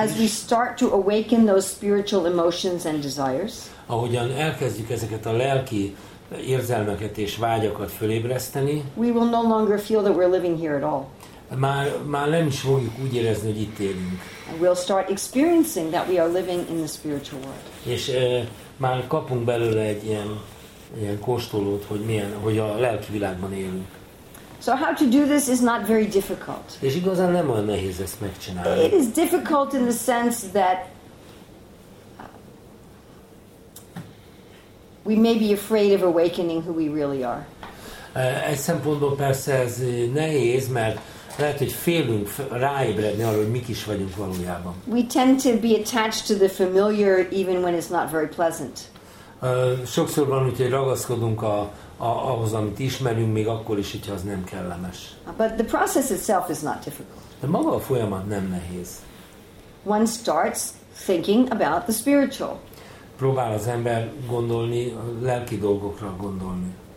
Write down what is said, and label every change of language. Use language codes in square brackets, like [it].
[en] As we start to awaken those spiritual emotions and desires. [hu] Ahogyan elkezdjük ezeket a lelki érzelmeket és vágyakat fölébreszteni. [en] We will no longer feel that we're living here at all. [hu] Már nem is fogjuk úgy érezni, hogy itt élünk. [en] And we'll start experiencing that we are living in the spiritual world. [hu] És már kapunk belőle egy ilyen kóstolót, hogy a lelki világban élünk. [en] So how to do this is not very difficult. [hu] És igazán nem olyan nehéz ezt megcsinálni. [en] It is difficult in the sense that we may be afraid of awakening who we really are. [hu] Egy szempontból persze ez nehéz, mert lehet, hogy félünk ráébredni arra, hogy mik is vagyunk valójában. [en] We tend to be attached to the familiar even when it's not very pleasant. [hu] Sokszor van, hogy ragaszkodunk ahhoz, amit ismerünk, még akkor is, hogyha az nem kellemes. [en] But the process itself is not difficult. [hu] De maga a folyamat nem nehéz. [en] One starts thinking about the spiritual. [hu] Próbál az ember gondolni, lelki dolgokra gondolni.